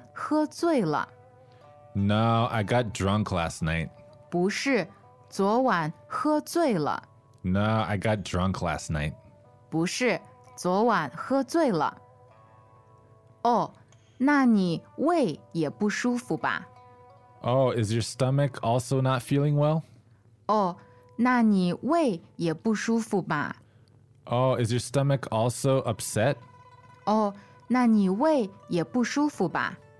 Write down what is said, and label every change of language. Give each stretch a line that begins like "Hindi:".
Chinese: 你感冒了。不是,昨晚喝醉了。
English: No, I got drunk last night.
Chinese: 不是,昨晚喝醉了。
English: No, I got drunk last night.
Chinese: 不是,昨晚喝醉了。哦, 那你胃也不舒服吧?
English: Oh, is your stomach also not feeling well?
Chinese: Oh, 那你胃也不舒服吧?
English: Oh, is your stomach also upset?
Chinese: Oh, 那你胃也不舒服吧?